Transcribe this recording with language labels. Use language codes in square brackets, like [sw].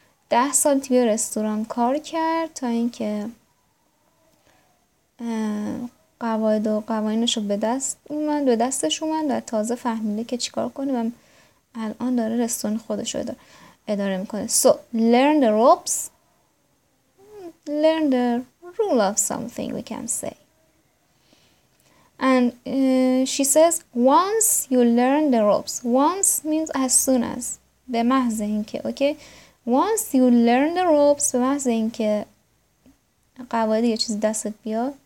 [fa] 10 سال توی رستوران کار کرد تا اینکه قواعد و قوانینش رو به دستش اومد و تازه فهمیده که چیکار کنه و الان داره رستوران خودش رو اداره میکنه. [en] So, learn the ropes. Learn the rule of something, we can say. And she says, once you learn the ropes. Once means as soon as. [fa] به محض اینکه, [en] okay? Once you learn the ropes, [fa] به محض اینکه قواعد یه چیز دستت بیاد.